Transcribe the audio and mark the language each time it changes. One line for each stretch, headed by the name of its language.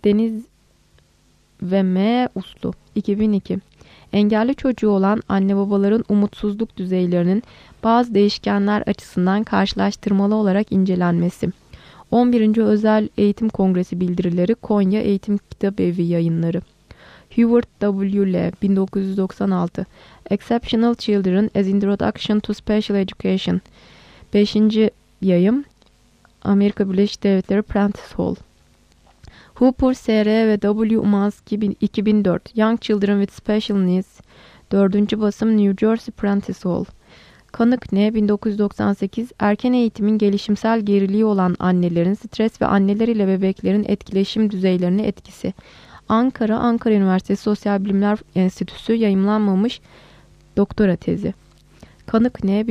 Turkish: Deniz ve M. Uslu 2002, Engelli çocuğu olan anne babaların umutsuzluk düzeylerinin bazı değişkenler açısından karşılaştırmalı olarak incelenmesi. 11. Özel Eğitim Kongresi Bildirileri, Konya Eğitim Kitabevi Yayınları, Hubert W. L.
English: 1996, Exceptional Children as Introduction to Special Education, 5.
Turkish: Yayım, Amerika Birleşik Devletleri Prentice Hall, Hooper, S.R. ve W.
English: Umans 2004, Young Children with Special Needs, 4.
Turkish: Basım, New Jersey Prentice Hall, Kanık N. 1998, Erken Eğitimin Gelişimsel Geriliği olan Annelerin Stres ve Anneler ile Bebeklerin Etkileşim Düzeylerine Etkisi, Ankara, Ankara Üniversitesi Sosyal Bilimler Enstitüsü Yayımlanmamış Doktora Tezi, Kanık N.